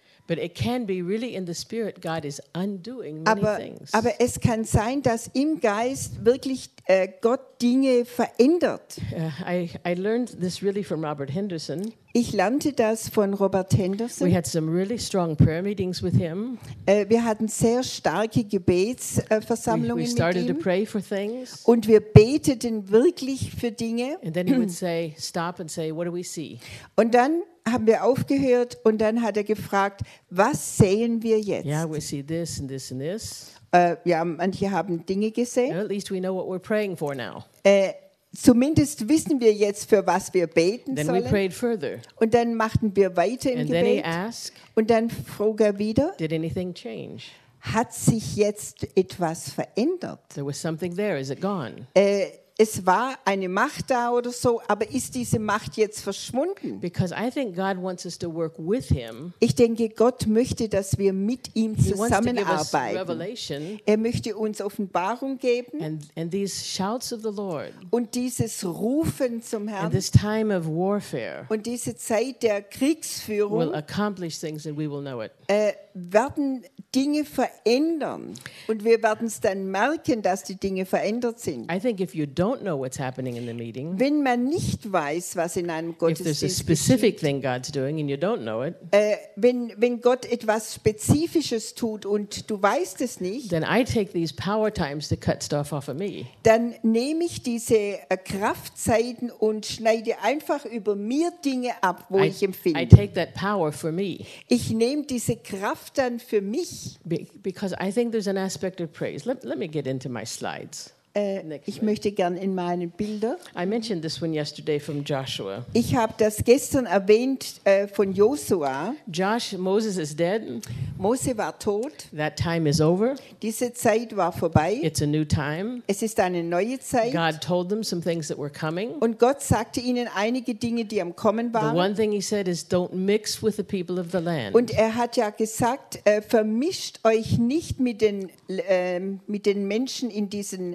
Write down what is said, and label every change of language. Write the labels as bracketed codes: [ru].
[en] But it can be really in the spirit God is undoing many things. [de] Aber es kann sein, dass im Geist wirklich Gott Dinge verändert. [en] I learned this really from Robert Henderson. [de] Ich lernte das von Robert Henderson. [en] We had some really strong prayer meetings with him. [de] Wir hatten sehr starke Gebetsversammlungen mit ihm. [en] We started to pray for things. [de] Und wir beteten wirklich für Dinge. [en] And then he would say, stop and say, what do we see? [de] Und dann haben wir aufgehört und dann hat er gefragt, was sehen wir jetzt? [en] Yeah, we see this and this and this. [de] Ja, manche haben Dinge gesehen. [en] At least we know what we're praying for now. [de] Zumindest wissen wir jetzt, für was wir beten [en] then [de] sollen. [en] We prayed further. [de] Und dann machten wir weiter im [en] and [de] Gebet. [en] Then he asked, [de] und dann frug er wieder, [en] did anything change? [de] Hat sich jetzt etwas verändert? [en] There was something there. Is it gone? [de] Es war eine Macht da oder so, aber ist diese Macht jetzt verschwunden? [en] Because I think God wants us to work with him. [de] Ich denke, Gott möchte, dass wir mit ihm zusammenarbeiten. [en] He wants to give us revelation. [de] Er möchte uns Offenbarung geben. [en] And these shouts of the Lord. [de] Und dieses Rufen zum Herrn. [en] And this time of warfare. [de] Und diese Zeit der Kriegsführung. [en] Will accomplish things and we will know it. [de] Werden Dinge verändern und wir werden es dann merken, dass die Dinge verändert sind. [en] I think if you don't know what's happening in the meeting, [de] wenn man nicht weiß, was in einem Gottesdienst geschieht, [en] if there's a specific thing God's doing and you don't know it, [de] wenn Gott etwas Spezifisches tut und du weißt es nicht, [en] then I take these power times to cut stuff off of me. [de] Dann nehme ich diese Kraftzeiten und schneide einfach über mir Dinge ab, wo ich empfinde. [en] I take that power for me. [de] Ich nehme diese Kraft dann für mich. [en] Because I think there's an aspect of praise. Let me get into my slides. [de] Ich möchte gern in meine Bilder. [en] I mentioned this one yesterday from Joshua. [de] Ich habe das gestern erwähnt von Joshua. [en] Moses is dead. [de] Mose war tot. [en] That time is over. [de] Diese Zeit war vorbei. [en] It's a new time. [de] Es ist eine neue Zeit. [en] God told them some things that were coming. [de] Und Gott sagte ihnen einige Dinge, die am Kommen waren. [en] The one thing he said is don't mix with the people of the land. [de] Und er hat ja gesagt, vermischt euch nicht mit den Menschen in diesen